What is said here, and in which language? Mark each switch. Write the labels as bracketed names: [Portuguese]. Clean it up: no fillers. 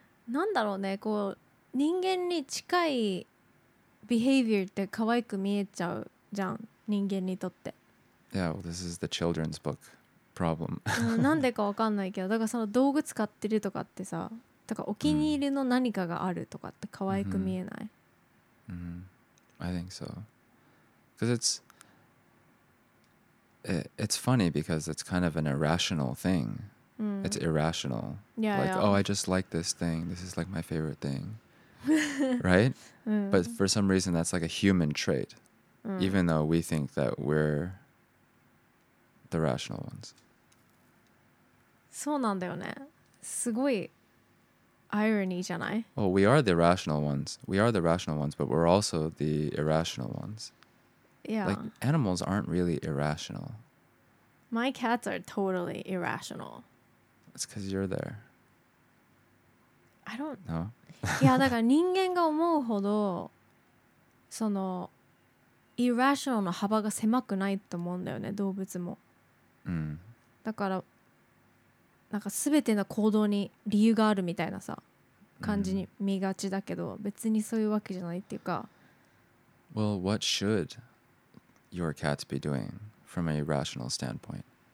[Japanese] なんだろうね、こう人間に近いビヘイビアって可愛く見えちゃうじゃん、人間にとって。 [English] Yeah, well, this is the children's book problem. [Japanese] なんでかわかんないけど、だからその道具使ってるとかってさ、だからお気に入りの何かがあるとかって可愛く見えない。 [English] Mm-hmm. Mm-hmm. I think so. Because it's funny because it's kind of an irrational thing. Mm. It's irrational. Yeah, like, yeah. Oh, I just like this thing. This is like my favorite thing. Right? Mm. But for some reason, that's like a human trait. Mm. Even though we think that we're the rational ones. [Japanese] そうなんだよね。すごい irony じゃない? [English] Well, we are the rational ones. We are the rational ones, but we're also the irrational ones. Yeah. Like, animals aren't really irrational. My cats are totally irrational. It's because you're there. I don't know. [Japanese] Yeah, だから人間が思うほどそのイラショナルの幅が狭くないと思うんだよね、動物も。 Mm. だからなんか全ての行動に理由があるみたいなさ感じに見がちだけど、別にそういうわけじゃないっていうか。 [English] Well, what should your cats be doing from a rational standpoint?